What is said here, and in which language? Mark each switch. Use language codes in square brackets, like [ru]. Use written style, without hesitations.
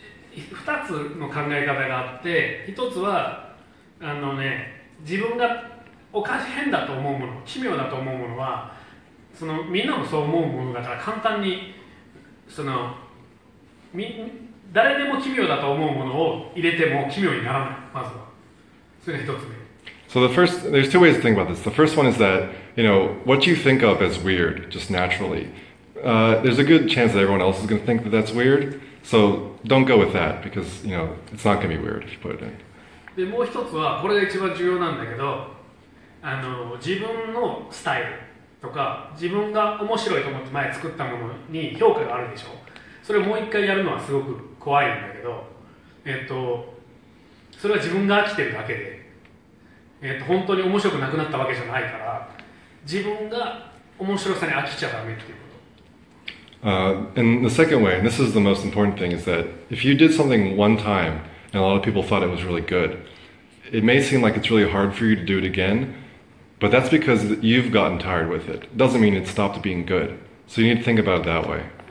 [ja] 2つの考え方があって、1つはあのね、自分がおかしい変だと思うもの、奇妙だと思うものはそのみんなもそう思うものだから簡単にその誰でも奇妙だと思うものを入れても奇妙にならない、まずは。それが一つ目。 [en] So the first, there's two ways to think about this. The first one is that, you know, what you think of as weird, just naturally, there's a good chance that everyone else is going to think that that's weird. So don't go with that, because, you know, it's not going to be weird if you put it in. [ja] で、もう一つは、これが一番重要なんだけど、あの、自分のスタイルとか、自分が面白いと思って前作ったものに評価があるでしょ。それをもう一回やるのはすごく怖いんだけど、それは自分が飽きてるだけで、本当に面白くなくなったわけじゃないから、自分が面白さに飽きちゃダメっていうこと。 [en] And the second way, and this is the most important thing, is that if you did something one time and a lot of people thought it was really good, it may seem like it's really hard for you to do it again, but that's because you've gotten tired with it. Doesn't mean it stopped being good. So you need to think about it that way.